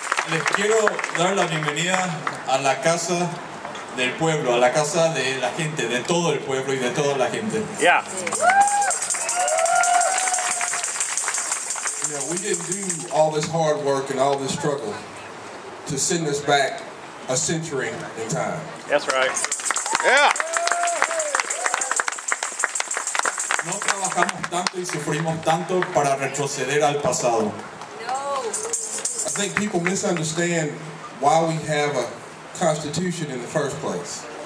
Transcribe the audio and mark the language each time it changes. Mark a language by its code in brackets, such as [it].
[es] Les quiero dar la bienvenida a la casa del pueblo, a la casa de la gente, de todo el pueblo y de toda la gente. [en] Yeah. Now, we didn't do all this hard work and all this struggle to send us back a century in time. That's right. Yeah. [es] No trabajamos tanto y sufrimos tanto para retroceder al pasado. [en] I think people misunderstand why we have a constitution in the first place.